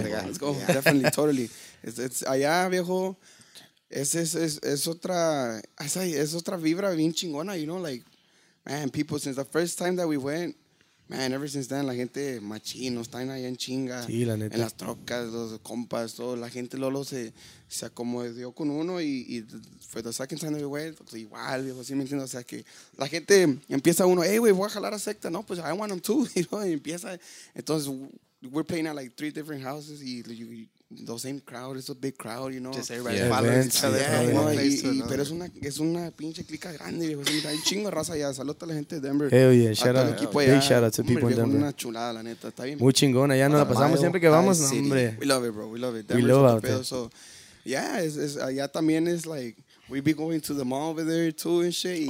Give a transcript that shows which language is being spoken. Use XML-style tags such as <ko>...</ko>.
<en>Let's go. Yeah. Definitely, totally. It's</en> <es>allá, viejo. Es otra vibra bien chingona,</es> <en>you know? Like, man, people, since the first time that we went, man, ever since then,</en> <es>la gente machino está allá en chinga. Sí, la neta. En las trocas, los compas, todo. La gente lolo se acomodó con uno y fue</es> <en>the second time we went,</en> <es>pues igual, viejo, sí me entiendo. O sea, que la gente empieza uno, hey, güey, voy a jalar a secta. No, pues</es> <en>I want them too, you know?</en> <es>Y empieza.</es> <en>Entonces, we're playing at like three different houses y the same crowd, it's a big crowd, you know? Just everybody follows each other.</en> <es>Yeah, pero es una pinche clica grande, viejo. Hay un chingo de raza allá. Saludos a la gente de Denver.</es> <en>Hell yeah, shout out. Big shout out to people in Denver.</en> <es>Una chulada, la neta. Está bien. Muy chingona, ya nos la pasamos siempre que vamos, no, hombre.</es> <en>We love it, bro. We love it. Denver's we love it. So, yeah,</en> <es>es allá también es</es> <en>like, we be going to the mall over there too and shit.</en>